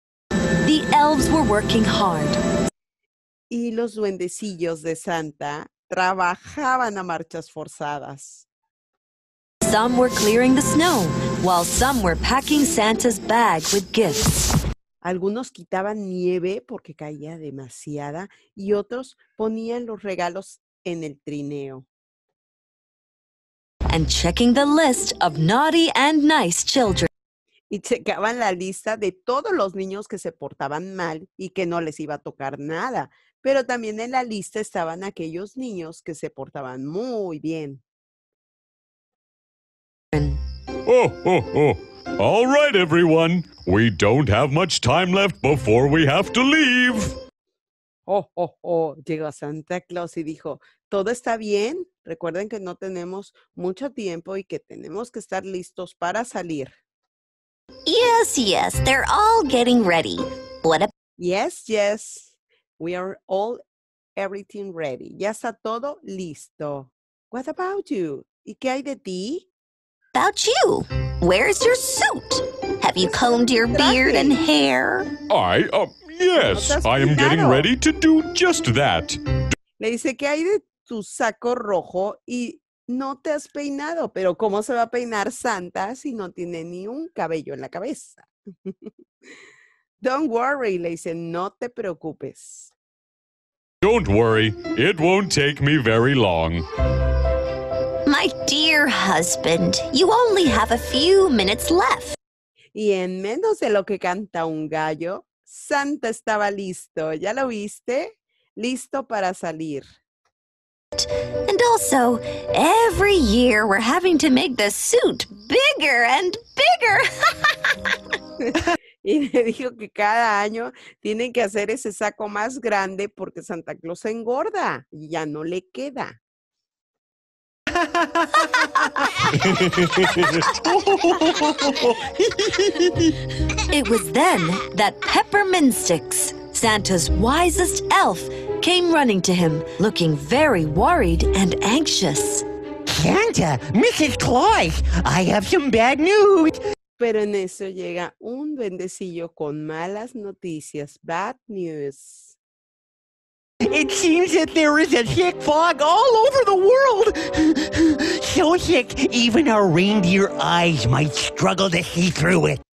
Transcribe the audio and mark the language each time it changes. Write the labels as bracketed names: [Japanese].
[English] The elves were working hard. [Spanish] Y los duendecillos de Santa trabajaban a marchas forzadas. [English] Some were clearing the snow, while some were packing Santa's bag with gifts. [Spanish] Algunos quitaban nieve porque caía demasiada y otros ponían los regalos en el trineo. [English] And checking the list of naughty and nice children. [Spanish] Y checaban la lista de todos los niños que se portaban mal y que no les iba a tocar nada. Pero también en la lista estaban aquellos niños que se portaban muy bien. [English] Oh, oh, oh. All right, everyone. We don't have much time left before we have to leave. Oh, oh, oh. [Spanish] Llegó Santa Claus y dijo, ¿todo está bien? Recuerden que no tenemos mucho tiempo y que tenemos que estar listos para salir. [English] Yes, yes. They're all getting ready. Yes, yes. We are all everything ready. [Spanish] Ya está todo listo. [English] What about you? [Spanish] ¿Y qué hay de ti? [English] About you. Where's your suit? Have you combed your beard and hair? Yes, I am getting ready to do just that. [Spanish] Le dice que hay de tu saco rojo y no te has peinado, pero ¿cómo se va a peinar Santa si no tiene ni un cabello en la cabeza? [English] Don't worry, [Spanish] le dice, no te preocupes. [English] Don't worry, it won't take me very long. My dear husband, you only have a few minutes left. [Spanish] Y en menos de lo que canta un gallo, Santa estaba listo. ¿Ya lo viste? Listo para salir. [English] And also, every year we're having to make the suit bigger and bigger. [Spanish] Y le dijo que cada año tienen que hacer ese saco más grande porque Santa Claus se engorda y ya no le queda. [English] It was then that Peppermint Sticks, Santa's wisest elf, came running to him, looking very worried and anxious. Santa, Mrs. Claus, I have some bad news. [Spanish] Pero en eso llega un duendecillo con malas noticias, [English] bad news. It seems that there is a thick fog all over the world. So thick, even our reindeer eyes might struggle to see through it.